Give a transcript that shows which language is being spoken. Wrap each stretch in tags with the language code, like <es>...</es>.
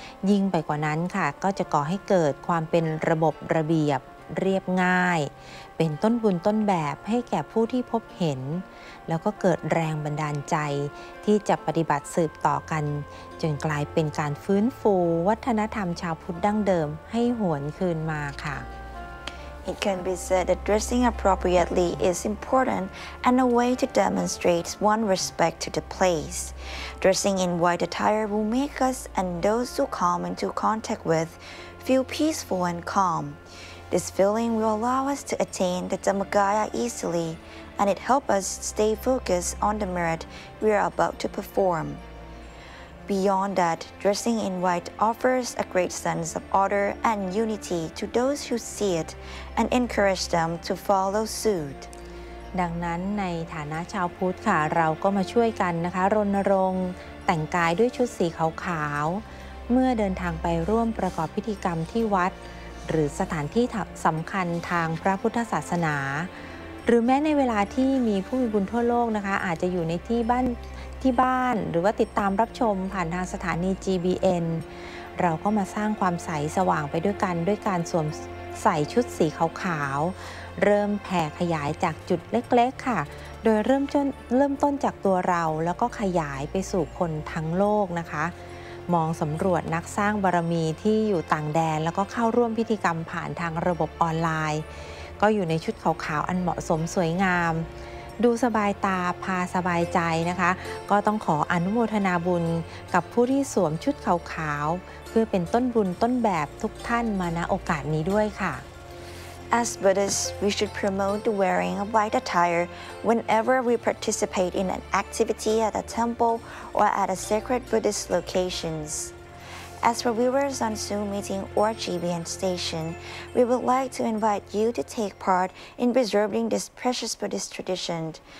<th>ยิ่งไปกว่านั้นค่ะก็จะก่อให้เกิดความเป็นระบบระเบียบเรียบง่ายเป็นต้นบุญต้นแบบให้แก่ผู้ที่พบเห็นแล้วก็เกิดแรงบันดาลใจที่จะปฏิบัติสืบต่อกันจนกลายเป็นการฟื้นฟูวัฒนธรรมชาวพุทธดั้งเดิมให้หวนคืนมาค่ะ</th> <en>It can be said that dressing appropriately is important and a way to demonstrate one respect to the place. Dressing in white attire will make us and those who come into contact with feel peaceful and calm. This feeling will allow us to attain the Dhammakaya easily, and it helps us stay focused on the merit we are about to perform. Beyond that, dressing in white offers a great sense of order and unity to those who see it and encourage them to follow suit.</en> <th>ดังนั้นในฐานะชาวพุทธค่ะเราก็มาช่วยกันนะคะรณรงค์แต่งกายด้วยชุดสีขาวๆเมื่อเดินทางไปร่วมประกอบพิธีกรรมที่วัดหรือสถานที่สำคัญทางพระพุทธศาสนาหรือแม้ในเวลาที่มีผู้มีบุญทั่วโลกนะคะอาจจะอยู่ในที่บ้านหรือว่าติดตามรับชมผ่านทางสถานี GBN เราก็มาสร้างความใสสว่างไปด้วยกันด้วยการสวมใส่ชุดสีขาวๆเริ่มแผ่ขยายจากจุดเล็กๆค่ะโดยเริ่ มต้นจากตัวเราแล้วก็ขยายไปสู่คนทั้งโลกนะคะมองสำรวจนักสร้างบารมีที่อยู่ต่างแดนแล้วก็เข้าร่วมพิธีกรรมผ่านทางระบบออนไลน์ก็อยู่ในชุดขาวๆอันเหมาะสมสวยงามดูสบายตาพาสบายใจนะคะก็ต้องขออนุโมทนาบุญกับผู้ที่สวมชุดขาวๆเพื่อเป็นต้นบุญต้นแบบทุกท่านมาณโอกาสนี้ด้วยค่ะ</th> <en>As Buddhists we should promote the wearing of white attire whenever we participate in an activity at a temple or at a sacred Buddhist locationsAs for viewers on Zoom meeting or GBN station, we would like to invite you to take part in preserving this precious Buddhist tradition.</en>